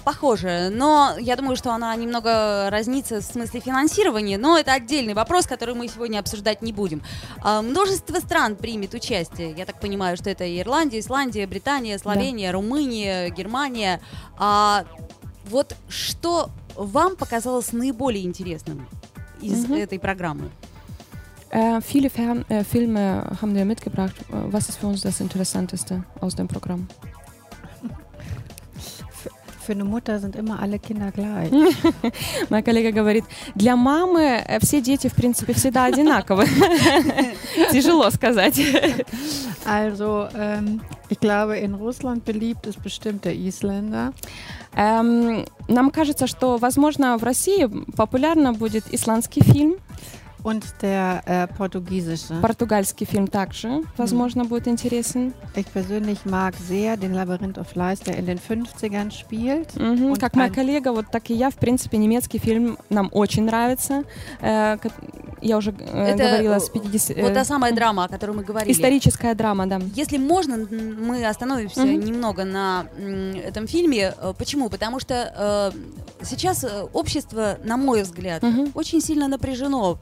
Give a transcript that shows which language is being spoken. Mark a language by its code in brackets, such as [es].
[ru] Похожая, но я думаю, что она немного разнится в смысле финансирования, но это отдельный вопрос, который мы сегодня обсуждать не будем. Множество стран примет участие, я так понимаю, что это Ирландия, Исландия, Британия, Словения, да. Румыния, Германия. А вот что вам показалось наиболее интересным из этой программы? [de] Viele [ru] фильмы [de] haben wir mitgebracht. Was ist für uns das Interessanteste aus dem Programm? Für eine Mutter sind immer alle Kinder gleich. [ru] Моя коллега говорит, для мамы все дети, в принципе, всегда одинаковы. Тяжело сказать. [de] Also, ich glaube, in Russland beliebt ist bestimmt der Isländer. [ru] Нам кажется, что, возможно, в России популярно будет исландский фильм. [de] Und der portugiesische. [ru] Португальский фильм также, возможно, будет интересен. [de] Ich persönlich mag sehr den Labyrinth of Lies, der in den 50ern spielt. [ru] Как моя коллега, вот так и я, в принципе, немецкий фильм нам очень нравится, я уже говорила, с 50... Вот та самая драма, о которой мы говорили. Историческая драма, да. Если можно, мы остановимся немного на этом фильме. Почему? Потому что сейчас общество, на мой взгляд, очень сильно напряжено.